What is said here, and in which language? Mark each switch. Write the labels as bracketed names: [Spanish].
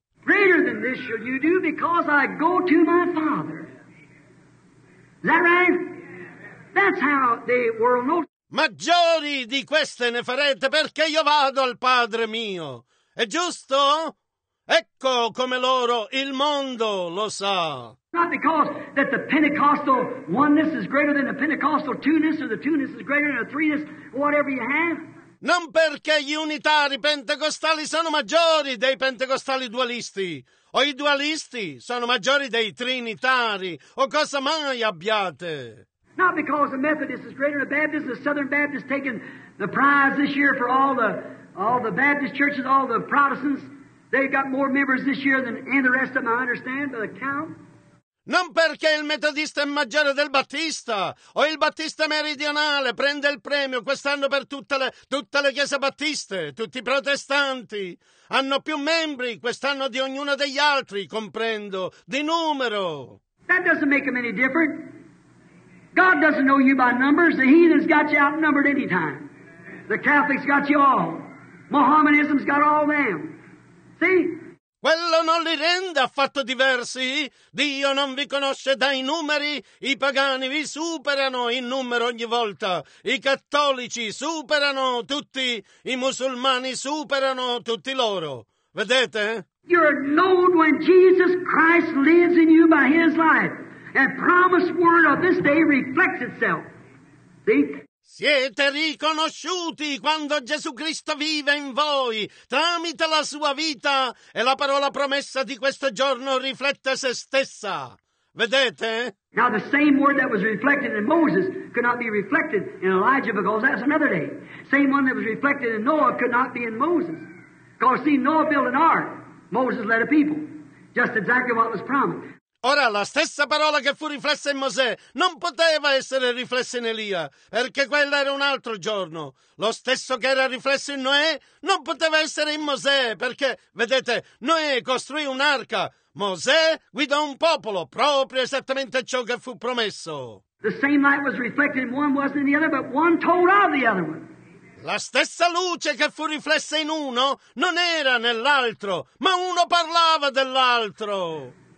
[English] Greater than this shall you do because I go to my Father. Is that right? That's how the world knows. [Italian] Maggiori di queste ne farete perché io vado al Padre mio. È giusto? Ecco come loro il mondo lo sa. [English] Not because that the Pentecostal oneness is greater than the Pentecostal two-ness, or the two-ness is greater than the three-ness, whatever you have. [Italian] Non perché gli unitari pentecostali sono maggiori dei pentecostali dualisti, o i dualisti sono maggiori dei trinitari, o cosa mai abbiate. [English] Not because the Methodist is greater than the Baptist, the Southern Baptist taking the prize this year for all the Baptist churches, all the Protestants. They've got more members this year than any of the rest of them, I understand, by the count. [Italian] Non perché il metodista è maggiore del battista, o il battista meridionale prende il premio quest'anno per tutte le chiese battiste, tutti i protestanti. Hanno più membri quest'anno di ognuno degli altri, comprendo, di numero. [English] That doesn't make them any different. God doesn't know you by numbers. The heathen's got you outnumbered any time. The Catholic's got you all. Mohammedism's got all them. [Italian] Sì. Quello non li rende affatto diversi. Dio non vi conosce dai numeri. I pagani vi superano in numero ogni volta. I cattolici superano tutti. I musulmani superano tutti loro. Vedete? [English] You're known when Jesus Christ lives in you by His life. And promised word of this day reflects itself. See? [Italian] Siete riconosciuti quando Gesù Cristo vive in voi tramite la sua vita e la parola promessa di questo giorno riflette se stessa. Vedete? [English] Now the same word that was reflected in Moses could not be reflected in Elijah because that's another day. Same one that was reflected in Noah could not be in Moses. Because see, Noah built an ark. Moses led a people. Just exactly what was promised. [Italian] Ora, la stessa parola che fu riflessa in Mosè non poteva essere riflessa in Elia, perché quello era un altro giorno. Lo stesso che era riflesso in Noè non poteva essere in Mosè, perché, vedete, Noè costruì un'arca. Mosè guidò un popolo, proprio esattamente ciò che fu promesso. [English] The same light was reflected in one, wasn't in the other, but one told of the other one. [Italian] La stessa luce che fu riflessa in uno non era nell'altro, ma uno parlava dell'altro.